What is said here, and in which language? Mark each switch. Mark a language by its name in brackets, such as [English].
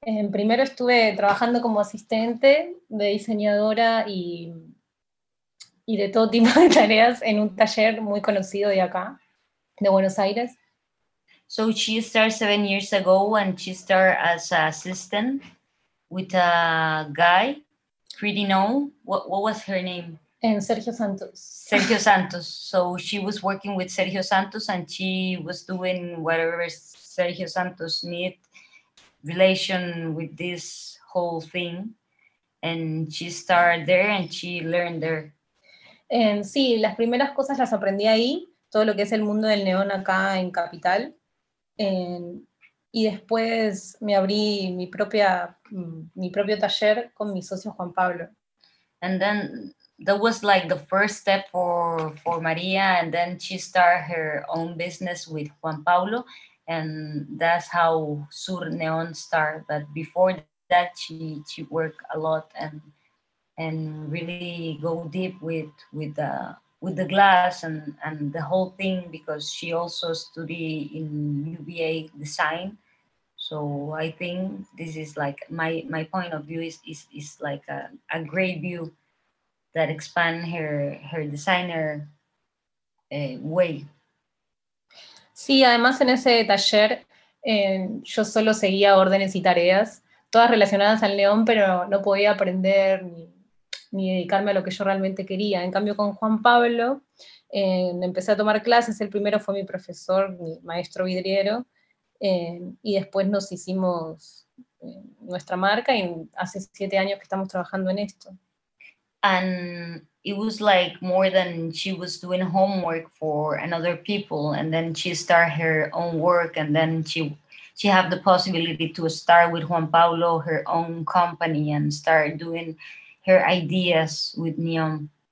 [Spanish] Primero estuve trabajando como asistente de diseñadora y de todo tipo de tareas en un taller muy conocido de acá, de Buenos Aires. [English] So she started 7 years ago and she started as an assistant with a guy, pretty known. What was her name? And Sergio Santos. Sergio Santos. So she was working with Sergio Santos and she was doing whatever Sergio Santos need relation with this whole thing. And she started there and she learned there. [Spanish] And sí, las primeras cosas las aprendí ahí, todo lo que es el mundo del neón acá en Capital. Y después me abrí mi propio taller con mi socio Juan Pablo. [English] And then that was like the first step for Maria, and then she started her own business with Juan Pablo, and that's how SUR Neon started. But before that, she worked a lot and really go deep with the glass and the whole thing, because she also studied in UBA design. So I think this is like my point of view is like a great view that expand her designer way. [Spanish] Sí, además en ese taller yo solo seguía órdenes y tareas, todas relacionadas al neón, pero no podía aprender ni dedicarme a lo que yo realmente quería. En cambio con Juan Pablo empecé a tomar clases, el primero fue mi profesor, mi maestro vidriero, y después nos hicimos nuestra marca y hace 7 años que estamos trabajando en esto. [English] And it was like more than she was doing homework for another people, and then she started her own work, and then she had the possibility to start with Juan Pablo her own company and start doing her ideas with neon.